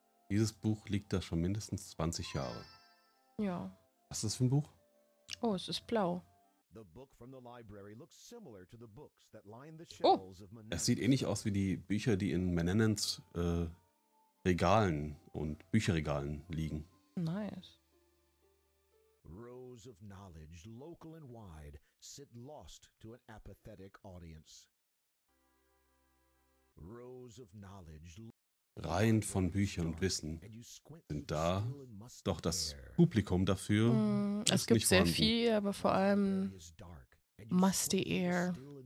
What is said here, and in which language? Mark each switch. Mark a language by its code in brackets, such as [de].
[de] Dieses Buch liegt da schon mindestens 20 Jahre. Ja. Was ist das für ein Buch? Oh, es ist blau. [en] The book from the library looks similar to the books that line the shelves of Menenens. [de] Es sieht ähnlich aus wie die Bücher, die in Menenens Regalen und Bücherregalen liegen. [en] Nice. Rows of knowledge, local and wide, sit lost to an apathetic audience. Rows of knowledge. [de] Reihen von Büchern und Wissen sind da, doch das Publikum dafür ist nicht vorhanden. Es gibt sehr viel, aber vor allem [en] musty air.